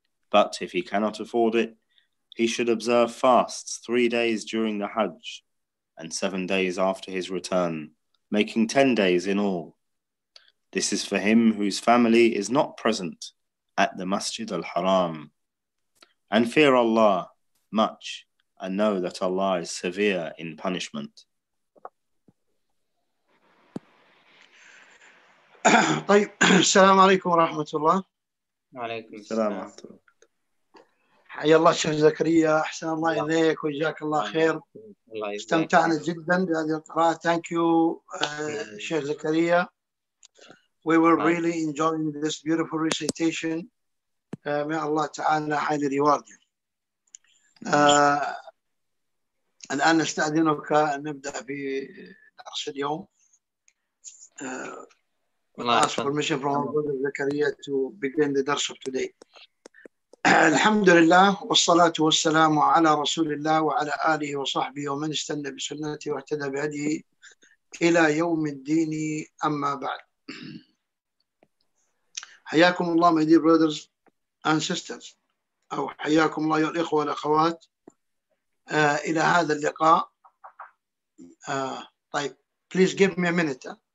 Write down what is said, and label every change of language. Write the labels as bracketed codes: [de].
[en] But if he cannot afford it, he should observe fasts 3 days during the Hajj and 7 days after his return, making 10 days in all. This is for him whose family is not present at the Masjid al-Haram. And fear Allah much, and know that Allah is severe in punishment. [ar] طيب السلام عليكم ورحمة الله. وعليكم السلام ورحمة الله. حيا الله شيخ زكريا، أحسن الله إليك وجزاك الله خير. استمتعنا جداً بهذه القراءة. [en] Thank you, [ar] شيخ زكريا. [en] We were really enjoying this beautiful recitation. May Allah Ta'ala highly reward you. [ar] الآن نستأذنك أن نبدأ في درس اليوم. [en] Ask permission from our brother Zakaria to begin the درس of today. [ar] الحمد لله والصلاة والسلام على رسول الله وعلى آله وصحبه ومن استنى بسنته واهتدى بهديه إلى يوم الدين أما بعد. حياكم الله [en] my dear brothers and sisters [ar] أو حياكم الله يا الإخوة والأخوات إلى هذا اللقاء. طيب [en] please give me a minute.